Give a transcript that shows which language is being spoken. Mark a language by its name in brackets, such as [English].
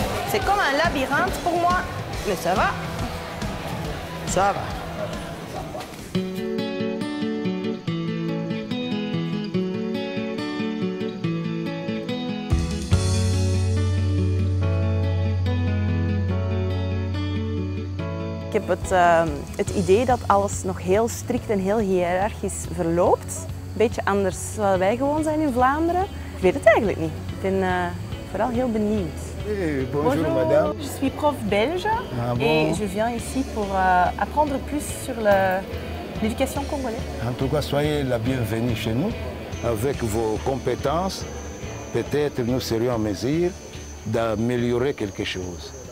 [French] c'est comme un labyrinthe pour moi. Mais ça va. Ça va. [Dutch] Ik heb het idee dat alles nog heel strikt en heel hiërarchisch verloopt. Een beetje anders dan wat wij gewoon zijn in Vlaanderen. Ik weet het eigenlijk niet. Ik ben vooral heel benieuwd. [French] Hey, bonjour madame. Je suis prof belge et je viens ici pour apprendre plus sur l'éducation congolaise. En tout cas, soyez la bienvenue chez nous. Avec vos compétences, peut-être nous serions en mesure d'améliorer quelque chose.